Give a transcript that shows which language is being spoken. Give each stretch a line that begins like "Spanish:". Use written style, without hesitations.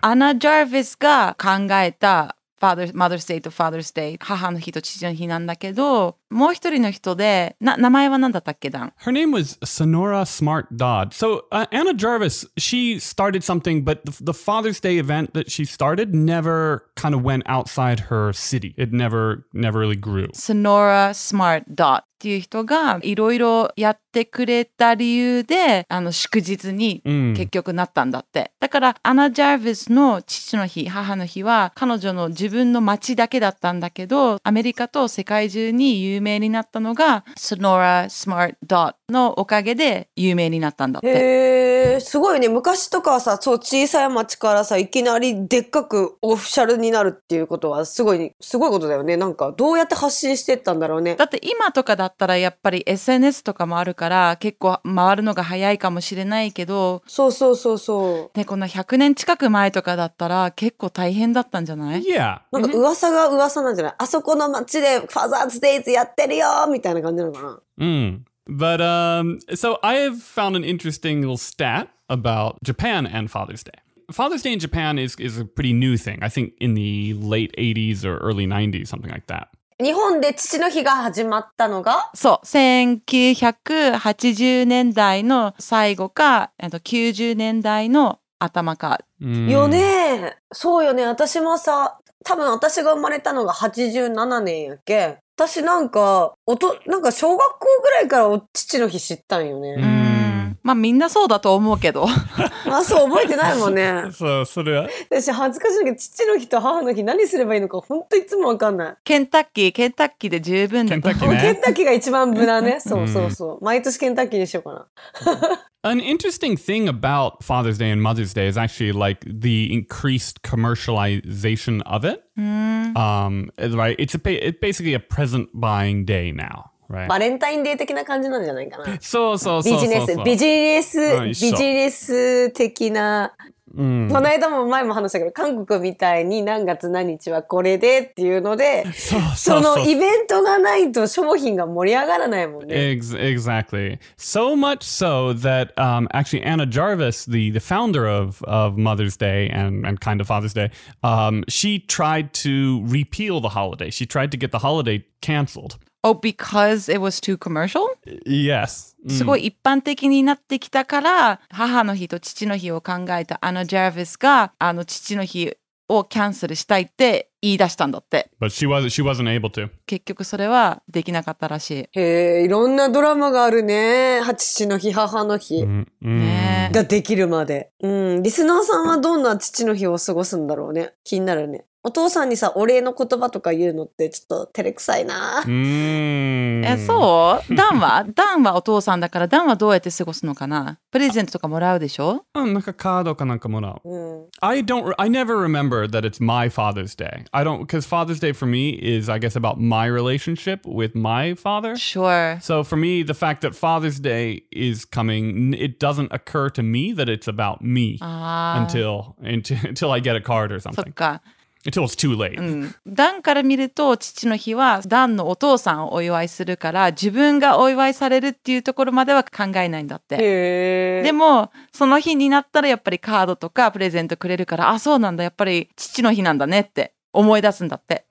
Japanese: Anna Jarvis が考えた Mother's Day と Father's Day、母の日と父の日なんだけど、もう一人の人で、名前は何だったっけ、ダン?
English: Her name was Sonora Smart Dodd. So, Anna Jarvis, she started something, but the Father's Day event that she started never kind of went outside her city. It never really grew. Sonora Smart Dodd.
Japanese: っていう人がいろいろやってくれた理由で、あの祝日に結局なったんだって。 Mm. だからアナ・ジャーヴィスの父の日、母の日は彼女の自分の町だけだったんだけど、アメリカと世界中に有名になったのが Sonora Smart Dot のおかげで有名になったんだって。へえ、すごいね。昔とかはさ、そう小さい町からさ、いきなりでっかくオフィシャルになるっていうことはすごいことだよね。なんかどうやって発信してったんだろうね。だって今とかだったらやっぱり SNS とかもあるから結構回るのが早いかもしれないけど、そうそうそうそう。でこの100年近く前とかだったら結構大変だったんじゃない？いや。なんか噂が噂なんじゃない？あそこの街でファザーズデイズやってるよみたいな感じなのかな？うん。
English: But so I have found an interesting little stat about Japan and Father's Day. Father's Day in Japan is a pretty new thing. I think in the late 80s or early 90s, something like that.
Japanese: 日本で父の日が始まったのが、そう、1980年代の最後か、90年代の頭か。よね、そうよね。私もさ、多分私が生まれたのが87年やっけ。私なんか、なんか小学校ぐらいからお父の日知ったんよね。まあみんなそうだと思うけど。まあそう覚えてないもんね。そう、それは。私恥ずかしいけど、父の日と母の日何すればいいのか本当いつもわかんない。ケンタッキーで十分だと。ケンタッキーね。ケンタッキーが一番無難ね。そうそうそう。毎年ケンタッキーにしようかな。
English: An interesting thing about Father's Day and Mother's Day is actually like the increased commercialization of it. Right? It's basically a present buying day now. Right.
Japanese: バレンタインデー的な感じなんじゃないかな。そうそうそう。ビジネス的な。この間も前も話したけど、韓国みたいに何月何日はこれでっていうので、そのイベントがないと商品が盛り上がらないもんね。
English: Exactly. So much so that actually Anna Jarvis, the founder of Mother's Day and kind of Father's Day, she tried to repeal the holiday. She tried to get the holiday cancelled. Oh, because it was too commercial? Yes.
Japanese: すごい一般的になってきたから、母の日と父の日を考えたアナ・ジャーヴィスが、あの父の日をキャンセルしたいって言い出したんだって。
English: But she wasn't able to.
Japanese: 結局それはできなかったらしい。へえ、いろんなドラマがあるね。父の日、母の日。ができるまで。リスナーさんはどんな父の日を過ごすんだろうね。気になるね。お父さんにさ、お礼の言葉とか言うのってちょっと照れくさいな。え、そう？ダンは？ダンはお父さんだから、ダンはどうやって過ごすのかな？プレゼントとかもらうでしょ？うん、なんかカードかなんかもらう。
English: I never remember that it's my Father's Day. I don't, because Father's Day for me is, I guess, about my relationship with my father. Sure. So for me, the fact that Father's Day is coming, it doesn't occur to me that it's about me until I get a card or something.
Japanese: そっか。
English: Until it's too late.
Japanese: ダンから見ると父の日はダンのお父さんをお祝いするから自分がお祝いされるっていうところまでは考えないんだって。へー。でもその日になったらやっぱりカードとかプレゼントくれるから、あ、そうなんだ、やっぱり父の日なんだねって思い出すんだって。